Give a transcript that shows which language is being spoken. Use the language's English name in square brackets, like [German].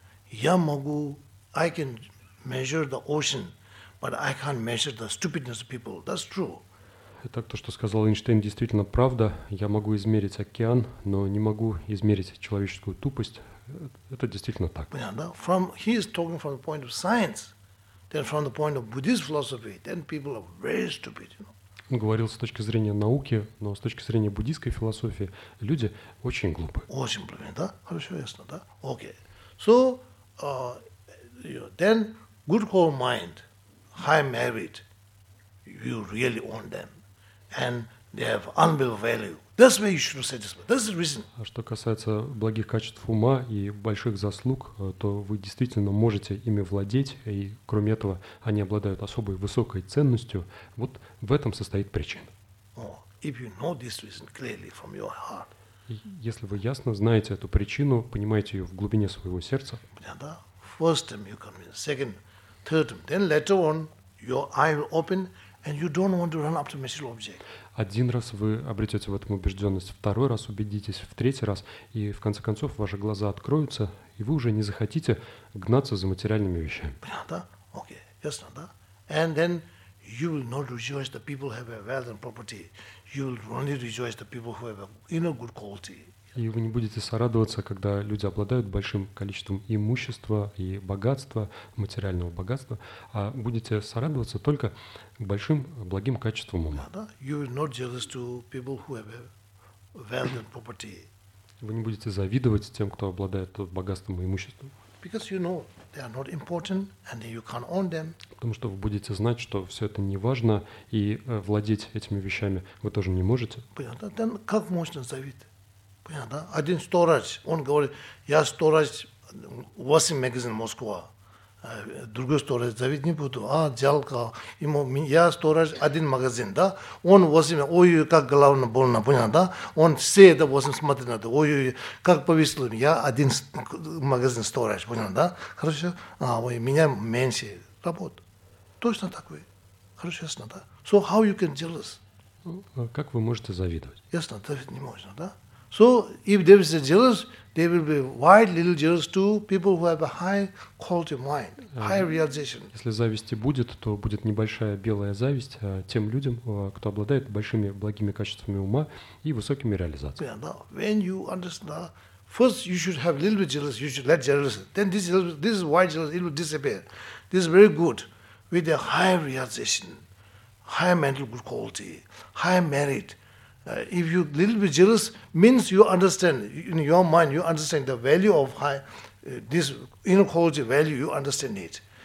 [Russian] Я могу, [English] I can measure the ocean, but I can't measure the stupidness of people. That's true. [Russian] Итак, то, что сказал Эйнштейн, действительно правда. Я могу измерить океан, но не могу измерить человеческую тупость. Это действительно так. Понятно? [English] From, he is talking from the point of science, then from the point of Buddhist philosophy, then people are very stupid, you know. [Russian] Он говорил с точки зрения науки, но с точки зрения буддийской философии люди очень глупы. Очень глупы, да? Хорошо, ясно, да? Окей. [English] So, then good whole mind, high merit, you really own them. And they have unbelievable value. That's why you should say this. That's the reason. [Russian] А что касается благих качеств ума и больших заслуг, то вы действительно можете ими владеть, и кроме этого, они обладают особой высокой ценностью. Вот в этом состоит причина. [English] If you know this reason clearly from your heart. [Russian] Если вы ясно знаете эту причину, понимаете ее в глубине своего сердца. Да. [English] First time you come in, second, third time, then later on your eye will open. And you don't want to run up to material object. [Russian] Один раз вы обретете в этом убежденность, второй раз убедитесь, в третий раз, и в конце концов ваши глаза откроются, и вы уже не захотите гнаться за материальными вещами. Понятно? Окей, ясно, да? [English] And then you will not rejoice that people have a wealth and property. You will only rejoice that people who have inner good quality. [Russian] И вы не будете сорадоваться, когда люди обладают большим количеством имущества и богатства, материального богатства, а будете сорадоваться только большим благим качеством ума. Вы не будете завидовать тем, кто обладает богатством и имуществом. [English] Because you know they are not important and you can't own them. [Russian] Потому что вы будете знать, что все это не важно, и владеть этими вещами вы тоже не можете. Понятно? Then как можно завидовать? Понятно? Один сторож, он говорит, я сторож 8 магазин Москва. Другой сторож, завидеть не буду. А, жалко. Ему, я сторож 1 магазин, да? Он 8, ой, как головно больно, понятно, да? Он все это 8 смотрит на это, ой, как повисло. Я 1 магазин сторож, понятно, да? Хорошо? А, ой, меня меньше работ. Точно такой. Хорошо, ясно, да? [English] So, how you can jealous? [Russian] Как вы можете завидовать? Ясно, завидовать не можно, да? [English] So if there is a jealous, they will be wide little jealous to people who have a high quality mind, high realization. [Russian] Если зависти будет, то будет небольшая белая зависть тем людям, кто обладает большими благими качествами ума и высокими реализациями. [English] Yeah, now, when you understand, first you should have a little bit jealous, you should let jealous, then this wide jealous, it will disappear. This is very good with a high realization, high mental good quality, high merit. If you a little bit jealous, means you understand, in your mind, you understand the value of high, this inner quality value, you understand it.